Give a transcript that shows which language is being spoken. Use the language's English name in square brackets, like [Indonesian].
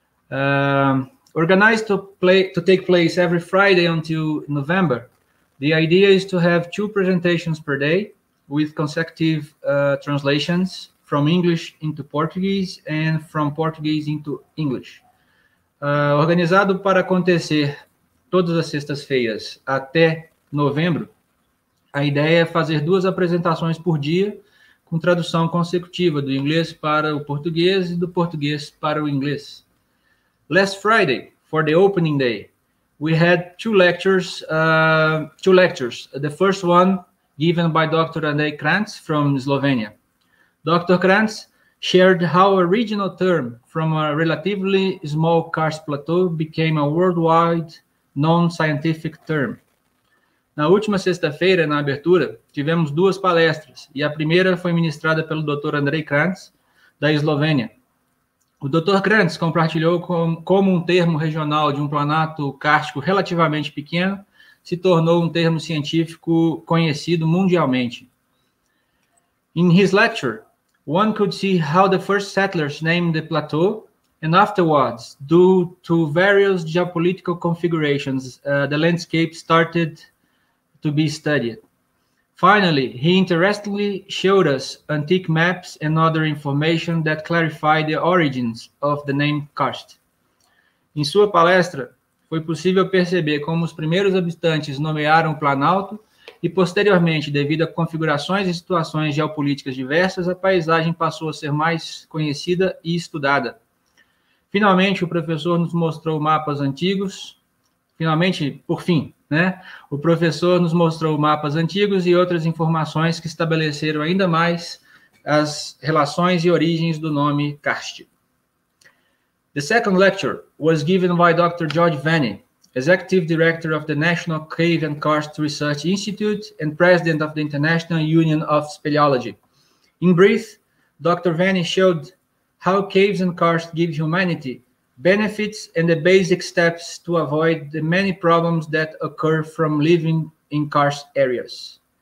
[English] Organized to take place every Friday until November, the idea is to have two presentations per day with consecutive translations from English into Portuguese and from Portuguese into English. [Portuguese] Organizado para acontecer todas as sextas-feiras até novembro, a ideia é fazer duas apresentações por dia, com tradução consecutiva do inglês para o português e do português para o inglês. [English] Last Friday, for the opening day, we had two lectures. The first one given by Dr. Andrei Krantz from Slovenia. Dr. Krantz shared how a regional term from a relatively small karst plateau became a worldwide non-scientific term. [Portuguese] Na última sexta-feira, na abertura, tivemos duas palestras, e a primeira foi ministrada pelo Dr. Andrei Krantz, da Eslovênia. O Dr. Krantz compartilhou como um termo regional de um planalto kárstico relativamente pequeno se tornou um termo científico conhecido mundialmente. [English] In his lecture, one could see how the first settlers named the plateau, and afterwards, due to various geopolitical configurations, the landscape started to be studied. Finally, he interestingly showed us antique maps and other information that clarify the origins of the name Karst. [Portuguese] Em sua palestra, foi possível perceber como os primeiros habitantes nomearam o Planalto e, posteriormente, devido a configurações e situações geopolíticas diversas, a paisagem passou a ser mais conhecida e estudada. Finalmente, o professor nos mostrou mapas antigos. Finalmente, por fim, né? O professor nos mostrou mapas antigos e outras informações que estabeleceram ainda mais as relações e origens do nome Karst. [English] The second lecture was given by Dr. George Vanney, Executive Director of the National Cave and Karst Research Institute and President of the International Union of Speleology. In brief, Dr. Vanney showed how caves and karst give humanity benefits and the basic steps to avoid the many problems that occur from living in karst areas.